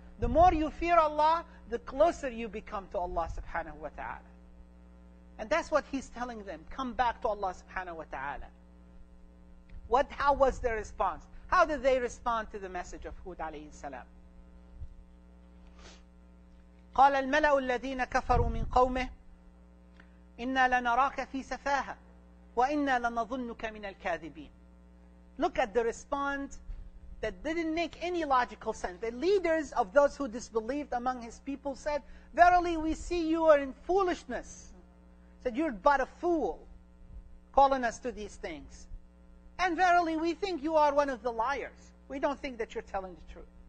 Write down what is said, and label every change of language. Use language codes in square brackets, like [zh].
[en] The more you fear Allah, the closer you become to Allah subhanahu wa ta'ala. And that's what he's telling them. Come back to Allah subhanahu wa ta'ala. How was their response? How did they respond to the message of Hud alayhi salam? [ar] قال الملأ الذين كفروا من قومه إنا لنراك في سفاهة وإنا لنظنك من الكاذبين. [en] Look at the response. That didn't make any logical sense. The leaders of those who disbelieved among his people said, verily we see you are in foolishness. Said, you're but a fool calling us to these things. And verily we think you are one of the liars. We don't think that you're telling the truth.